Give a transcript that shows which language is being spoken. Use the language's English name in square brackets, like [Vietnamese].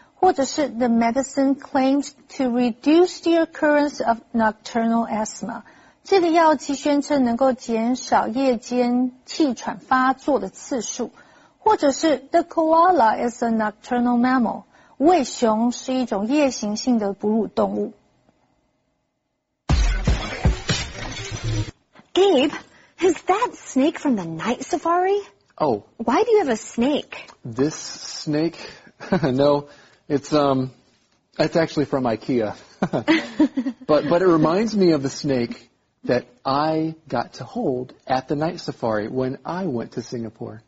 [Chinese] 或者是 [English] The medicine claims to reduce the occurrence of nocturnal asthma. [Chinese] 这个药剂宣称能够减少夜间气喘发作的次数。或者是 [English] The koala is a nocturnal mammal. [Chinese] 卫熊是一种夜行性的哺乳动物。 [English] Gabe, is that snake from the night safari? Oh. Why do you have a snake? This snake? No. It's actually from IKEA. but it reminds me of the snake that I got to hold at the night safari when I went to Singapore.